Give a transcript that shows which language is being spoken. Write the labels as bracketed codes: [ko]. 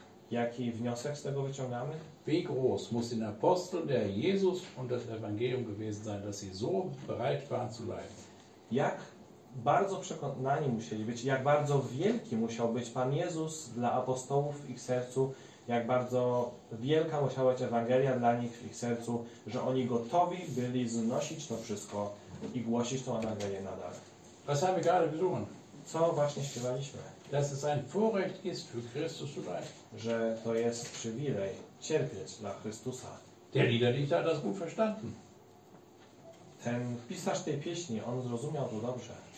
[pl] Jaki wniosek z tego wyciągamy? [de] Wie groß muss den Apostel der Jesus und das Evangelium gewesen sein, dass sie so bereit waren zu leiden? [pl] Jak bardzo przekonani musieli być, jak bardzo wielki musiał być Pan Jezus dla apostołów w ich sercu, jak bardzo wielka musiała być Ewangelia dla nich w ich sercu, że oni gotowi byli znosić to wszystko i głosić tą Ewangelię nadal. [de] Was haben wir gerade gesungen? [pl] Co właśnie śpiewaliśmy? [de] Dass es ein Vorrecht ist für Christus zu leiden. [pl] Że to jest przywilej cierpieć dla Chrystusa. [de] Der Liederdichter hat das gut verstanden. [pl] Ten pisarz tej pieśni, on zrozumiał to dobrze.